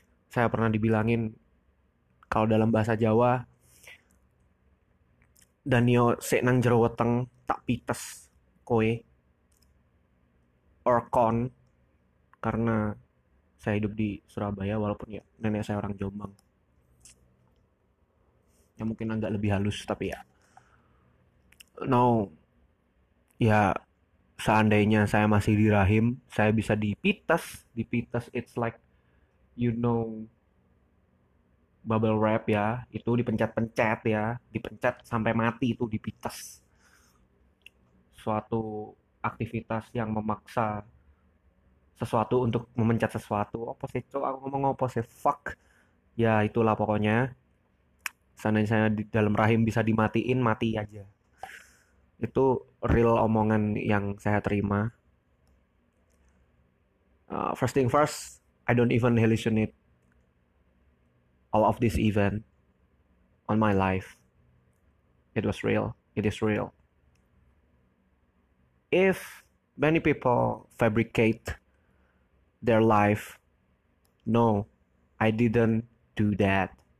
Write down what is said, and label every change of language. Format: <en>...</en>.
<id>Saya pernah dibilangin kalau dalam bahasa Jawa, Danio</id> <jv>sek nang jero weteng tak pites koe or kon,</jv> <id>karena saya hidup di Surabaya walaupun ya nenek saya orang Jombang. Ya mungkin agak lebih halus tapi ya. Now, ya seandainya saya masih di rahim, saya bisa dipites.</id> <en>Dipites it's like, you know, bubble wrap ya.</en> <id>Itu dipencet-pencet ya. Dipencet sampai mati itu dipites. Suatu aktivitas yang memaksa sesuatu untuk memencet sesuatu. Apa sih, cok? Aku ngomong apa sih? Fuck. Ya, itulah pokoknya. Seandainya saya di dalam rahim bisa dimatiin, mati aja. Itu real omongan yang saya terima.</id> <en>First thing first, I don't even hallucinate all of this event on my life. It was real. It is real. If many people fabricate their life, no, I didn't do that.</en>